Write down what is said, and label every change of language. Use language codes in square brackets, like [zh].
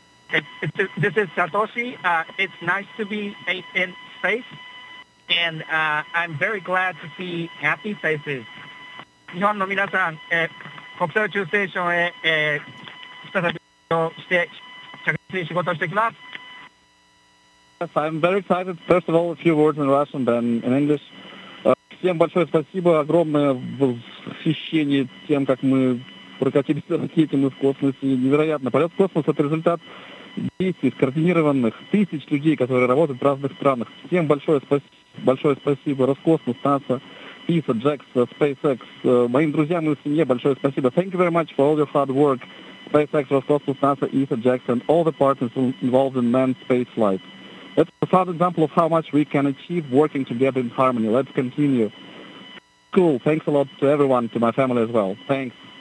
[en] This is Satoshi. It's nice to be in space, and I'm very glad to see happy faces. [ja] 日本の皆さん、国際宇宙ステーションへ、再び移動して着地仕事をしてきます。 [en] Yes, I'm very excited. First of all, a few words in Russian, then in English. [ru] Всем большое спасибо, огромное восхищение тем, как мы прокатились на ракете, мы в космосе. Невероятно. Полет в космос – это результат действий скоординированных тысяч людей, которые работают в разных странах. Всем большое спасибо. Роскосмос, НАСА, ИСА, JAXA, SpaceX, моим друзьям и семье большое спасибо. [en] Thank you very much for all your hard work. SpaceX, Роскосмос, НАСА, ИСА, JAXA, and all the partners involved in manned space flight. That's a solid example of how much we can achieve working together in harmony. Let's continue. Cool. Thanks a lot to everyone, to my family as well. Thanks.